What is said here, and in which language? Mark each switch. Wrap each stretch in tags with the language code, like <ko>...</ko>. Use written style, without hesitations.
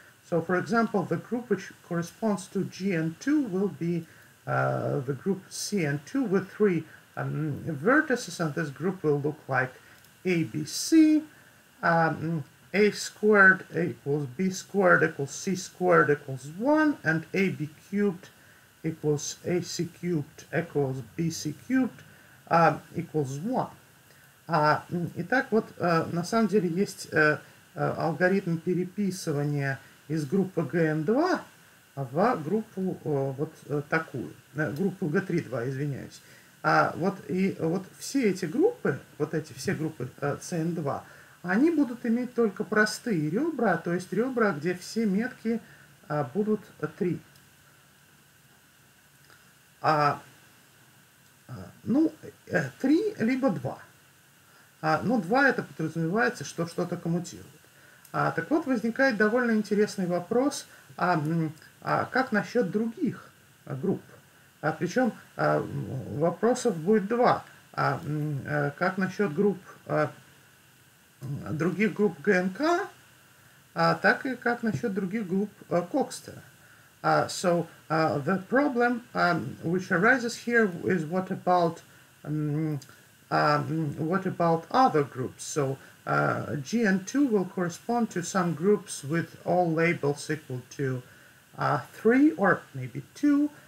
<en>So, for example, the group which corresponds to GN2 will be the group CN2 with three vertices, and this group will look like ABC, A squared equals B squared equals C squared equals 1, and AB cubed equals AC cubed equals BC cubed equals 1.</en> <ru>Итак, вот на самом деле есть алгоритм переписывания из группы ГН2 в группу вот такую, группу Г3-2, извиняюсь. Вот все эти группы, вот эти все группы CN2, они будут иметь только простые ребра, то есть ребра, где все метки будут 3. Ну, 3 либо 2. Но 2 это подразумевается, что что-то коммутирует. Так вот, возникает довольно интересный вопрос, как насчет других групп? Причем вопросов будет 2. Как насчет групп, других групп ГНК, так и как насчет других групп Кокстера?</ru> <en>So the problem which arises here is what about other groups? So GN2 will correspond to some groups with all labels equal to 3 or maybe 2.</en>